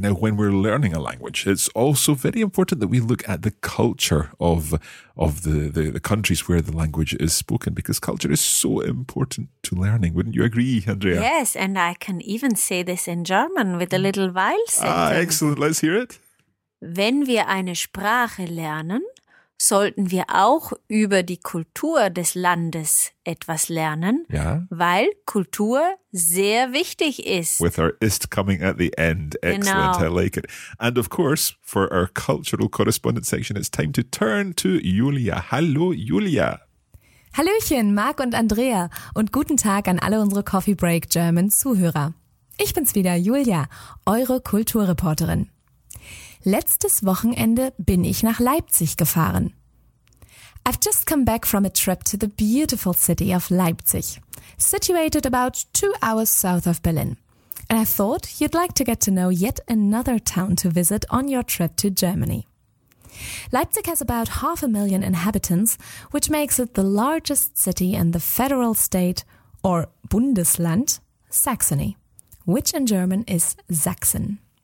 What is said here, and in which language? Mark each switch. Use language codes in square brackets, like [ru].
[en] Now, when we're learning a language, it's also very important that we look at the culture of the countries where the language is spoken, because culture is so important to learning. Wouldn't you agree, Andrea? Yes, and I can even say this in German with a little weil sentence. Ah, excellent. Let's hear it. [de] Wenn wir eine Sprache lernen, sollten wir auch über die Kultur des Landes etwas lernen, ja, weil Kultur sehr wichtig ist. [en] With our ist coming at the end. Excellent, [de] genau. [en] I like it. And of course, for our cultural correspondence section, it's time to turn to Julia. [de] Hallo, Julia. Hallöchen, Marc und Andrea. Und guten Tag an alle unsere Coffee Break German Zuhörer. Ich bin's wieder, Julia, eure Kulturreporterin. Letztes Wochenende bin ich nach Leipzig gefahren. [en] I've just come back from a trip to the beautiful city of Leipzig, situated about 2 hours south of Berlin. And I thought you'd like to get to know yet another town to visit on your trip to Germany. Leipzig has about 500,000 inhabitants, which makes it the largest city in the federal state, or Bundesland, Saxony, which in German is Sachsen.